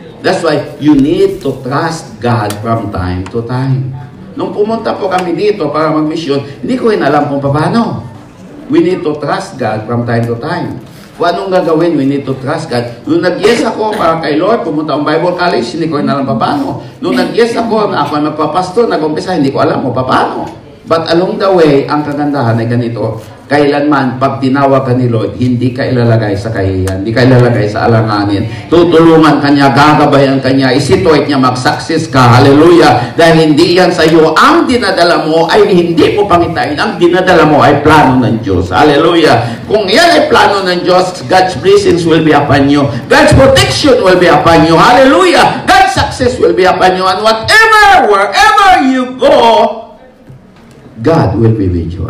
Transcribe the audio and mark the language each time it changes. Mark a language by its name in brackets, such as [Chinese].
[English] That's why you need to trust God from time to time. [Filipino] Nung pumunta po kami dito para mag-mission, hindi ko rin alam kung paano. [English] We need to trust God from time to time. [Filipino] Kung anong gagawin, [English] we need to trust God. [Filipino] Nung nag-yes ako para kay Lord, pumunta ang Bible College, hindi ko rin alam paano. Nung nag-yes ako na ako ay magpapastor, nag-umpisa, hindi ko alam mo paano. [English] But along the way, [Filipino] ang kagandahan ay ganito. Kailanman, pag tinawag ka ni Lord, hindi ka ilalagay sa kahihiyan, hindi ka ilalagay sa alanganin. Tutulungan ka niya, gagabayan ka niya, isituit niya, mag-success ka. Hallelujah! Dahil hindi yan sa iyo. Ang dinadala mo ay hindi mo pangitain. Ang dinadala mo ay plano ng Diyos. Hallelujah! Kung yan ay plano ng Diyos, [English] God's blessings will be upon you. God's protection will be upon you. Hallelujah! God's success will be upon you. And whatever, wherever you go, God will be with you.